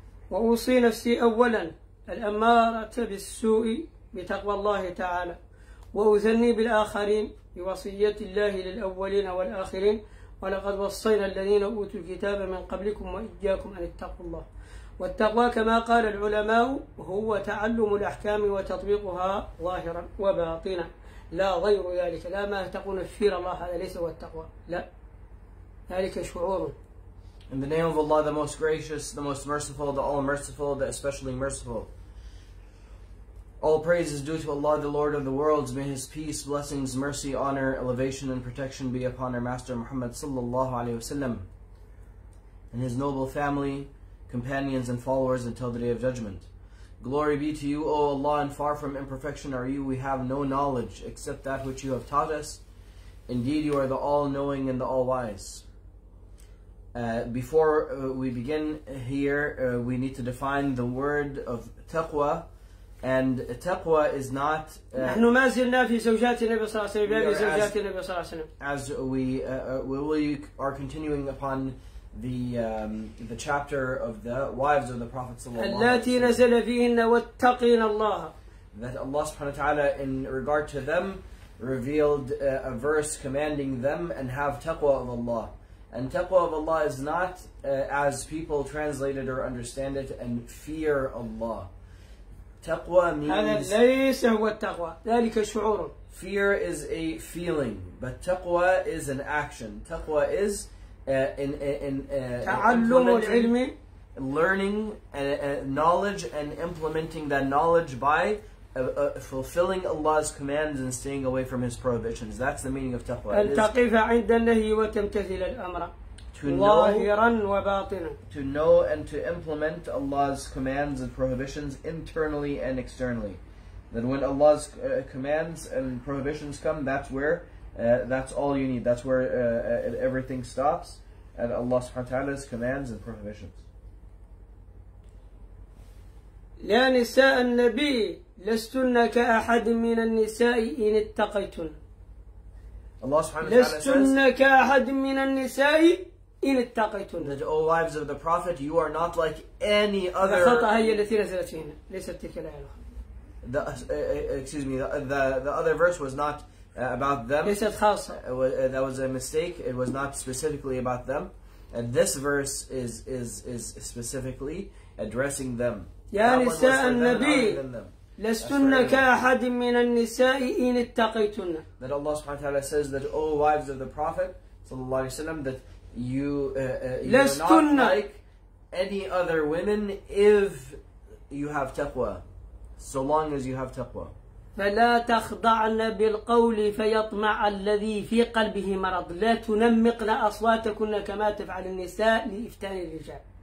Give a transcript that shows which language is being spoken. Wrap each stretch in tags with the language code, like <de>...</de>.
<ar>وأوصي نفسي أولا الأمارة بالسوء بتقوى الله تعالى، وأذني بالآخرين بوصية الله للأولين والآخرين، ولقد وصينا الذين أوتوا الكتاب من قبلكم وإياكم أن اتقوا الله. والتقوى كما قال العلماء هو تعلم الأحكام وتطبيقها ظاهرا وباطنا، لا غير ذلك. لا ما تقول فير الله، هذا ليس هو التقوى، لا، ذلك شعور.</ar> <en>In the name of Allah, the most gracious, the most merciful, the all merciful, the especially merciful. All praise is due to Allah, the Lord of the worlds. May His peace, blessings, mercy, honor, elevation, and protection be upon our Master Muhammad sallallahu alayhi wasallam and his noble family, companions, and followers until the Day of Judgment. Glory be to you, O Allah, and far from imperfection are you. We have no knowledge except that which you have taught us. Indeed, you are the all-knowing and the all-wise. Before we begin here, we need to define the word of taqwa. And taqwa is not...</en> <ar>نحن ما زلنا في زوجات النبي صلى الله عليه وسلم. زوجات النبي صلى الله عليه وسلم.</ar> <en>As we are continuing upon the chapter of the wives of the Prophet</en> <ar>صلى الله عليه وسلم. التي نزل فيهن واتقين الله.</ar> <en>That Allah subhanahu wa ta'ala in regard to them revealed a verse commanding them and have taqwa of Allah. And taqwa of Allah is not as people translate it or understand it, and fear Allah. تقوى means</en> <ar>هذا ليس هو التقوى، ذلك شعور.</ar> <en>Fear is a feeling, but تقوى is an action. تقوى is</en> <ar>تعلم العلم,</ar> <en>learning knowledge and implementing that knowledge by fulfilling Allah's commands and staying away from His prohibitions. That's the meaning of تقوى.</en> <ar>أن تقف عند النهي وتمتثل الأمر.</ar> <en>To know and to implement Allah's commands and prohibitions internally and externally. Then when Allah's commands and prohibitions come, that's where, that's all you need. That's where everything stops, at Allah subhanahu wa ta'ala's commands and prohibitions.</en> <ar>يا نساء النبي لستن كأحد من النساء إن اتقيتن.</ar> <en>Allah subhanahu wa ta'ala says</en> <ar>لستن كأحد من النساء إن اتقيتن.</ar> <en>That O wives of the Prophet, you are not like any other.</en> <ar>الخطأ هي التي نزلت فينا ليست تلك الآية.</ar> <en>The other verse was not about them.</en> <ar>ليست خاصة.</ar> <en>That was a mistake. It was not specifically about them. And this verse is specifically addressing them.</en> <ar>يا نساء النبي لستن كأحد من النساء إن اتقيتن.</ar> <en>That Allah subhanahu wa ta'ala says that O wives of the Prophet sallallahu alaihi wasallam that you are not like any other women if you have taqwa, so long as you have taqwa.</en> <ar>فَلَا تَخْضَعْنَ بِالْقَوْلِ فَيَطْمَعَ الَّذِي فِي قَلْبِهِ مَرَضٌ لَا تُنَمِّقْنَ أَصْوَاتَكُنَّ كَمَا تَفْعَلِ النِّسَاءُ لِإِفْتَانِ الرِّجَالِ.</ar>